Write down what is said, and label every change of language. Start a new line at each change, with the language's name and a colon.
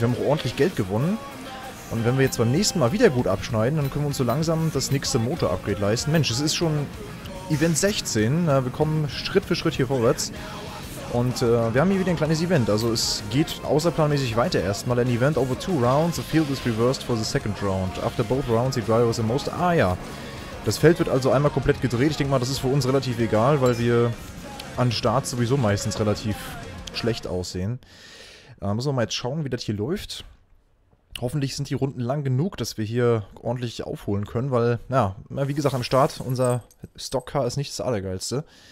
German: Wir haben auch ordentlich Geld gewonnen. Und wenn wir jetzt beim nächsten Mal wieder gut abschneiden, dann können wir uns so langsam das nächste Motor-Upgrade leisten. Mensch, es ist schon Event 16. Na, wir kommen Schritt für Schritt hier vorwärts. Und wir haben hier wieder ein kleines Event. Also es geht außerplanmäßig weiter erstmal. Ein
English: Event over 2 rounds. The field is reversed for the second round. After both rounds, the driver is the most...
German: Ah ja. Das Feld wird also einmal komplett gedreht. Ich denke mal, das ist für uns relativ egal, weil wir an Start sowieso meistens relativ schlecht aussehen. Müssen wir mal jetzt schauen, wie das hier läuft. Hoffentlich sind die Runden lang genug, dass wir hier ordentlich aufholen können, weil, ja, wie gesagt, am Start, unser Stockcar ist nicht das Allergeilste.